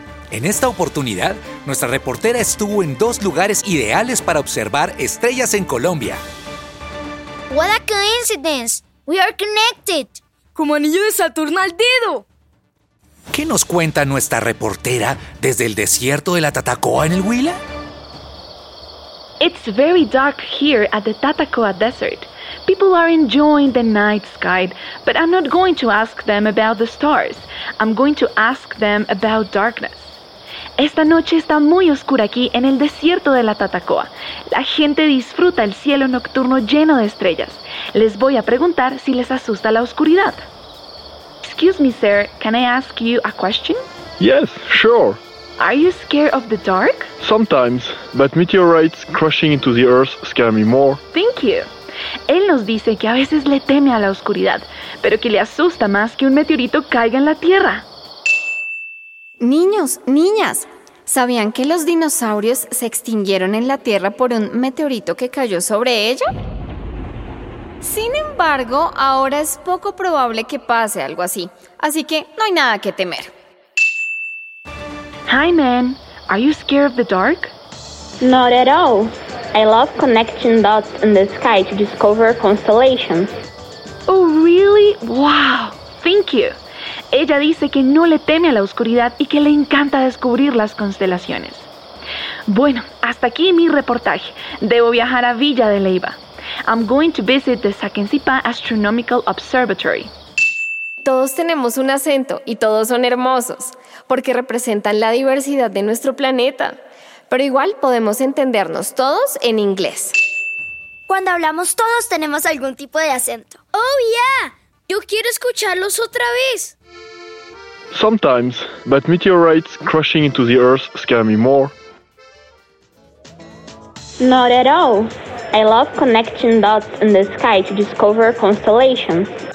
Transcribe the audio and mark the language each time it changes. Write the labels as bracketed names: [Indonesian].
[Spanish] En esta oportunidad, nuestra reportera estuvo en dos lugares ideales para observar estrellas en Colombia. [English] What a coincidence! We are connected! [Spanish] ¡Como anillo de Saturno al dedo! ¿Qué nos cuenta nuestra reportera desde el desierto de la Tatacoa en el Huila? [English] It's very dark here at the Tatacoa Desert. People are enjoying the night sky, but I'm not going to ask them about the stars. I'm going to ask them about darkness. [Spanish] Esta noche está muy oscura aquí en el desierto de la Tatacoa. La gente disfruta el cielo nocturno lleno de estrellas. Les voy a preguntar si les asusta la oscuridad. [English] Excuse me, sir, can I ask you a question? Yes, sure. Are you scared of the dark? Sometimes, but meteorites crashing into the earth scare me more. Thank you. [Spanish] Él nos dice que a veces le teme a la oscuridad, pero que le asusta más que un meteorito caiga en la Tierra. Niños, niñas, ¿sabían que los dinosaurios se extinguieron en la Tierra por un meteorito que cayó sobre ella? Sin embargo, ahora es poco probable que pase algo así, así que no hay nada que temer. [English] Hi, man. Are you scared of the dark? Not at all. I love connecting dots in the sky to discover constellations. Oh, really? Wow! Thank you. [Spanish] Ella dice que no le teme a la oscuridad y que le encanta descubrir las constelaciones. Bueno, hasta aquí mi reportaje. Debo viajar a Villa de Leyva. [English] I'm going to visit the Saquencipa Astronomical Observatory. [Spanish] Todos tenemos un acento y todos son hermosos, porque representan la diversidad de nuestro planeta. Pero igual podemos entendernos todos en inglés. Cuando hablamos todos tenemos algún tipo de acento. [English] ¡Oh, yeah! [Spanish] ¡Yo quiero escucharlos otra vez! [English] Sometimes, but meteorites crashing into the Earth scare me more. Not at all. I love connecting dots in the sky to discover constellations.